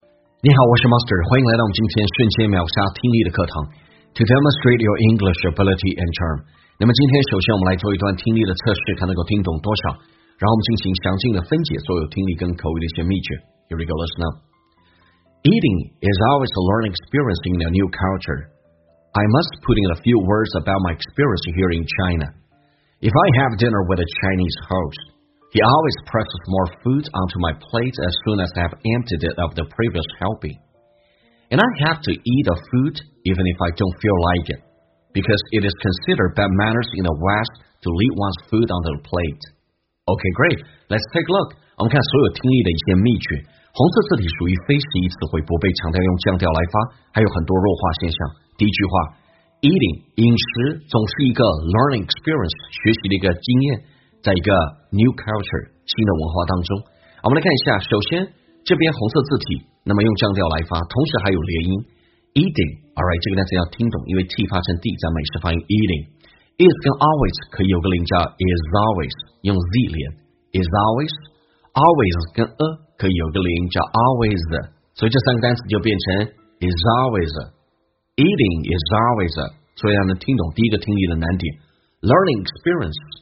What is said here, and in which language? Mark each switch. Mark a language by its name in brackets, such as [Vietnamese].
[Chinese] 你好，我是 Master， 欢迎来到我们今天瞬间秒杀听力的课堂 [English] To demonstrate your English ability and charm。 [Chinese] 那么今天首先我们来做一段听力的测试，看能够听懂多少，然后我们进行详尽的分解所有听力跟口语的一些秘诀。 [English] Here we go, listen up. Eating is always a learning experience in a new culture. I must put in a few words about my experience here in China. If I have dinner with a Chinese host,He always presses more food onto my plate as soon as I have emptied it of the previous helping. And I have to eat the food even if I don't feel like it, because it is considered bad manners in the West to leave one's food onto the plate. Okay, great. Let's take a look. [Chinese] 我们看所有听力的一些秘诀。红色字体属于非习义词汇，不被强调，用降调来发，还有很多弱化现象。第一句话 ，eating 饮食总是一个 learning experience 学习的一个经验。在一个 new culture 新的文化当中，我们来看一下。首先，这边红色字体，那么用降调来发，同时还有连音 eating。 [English] All right， [Chinese] 这个单词要听懂，因为 t 发成 d， 在美式发音 eating。 is 跟 always 可以有个连加 ，is always 用 z 连 ，is always。 always 跟 a 可以有个连加 ，always。所以这三个单词就变成 is always。 [English] eating is always， [Chinese] 所以要能听懂第一个听力的难点 ，learning experience。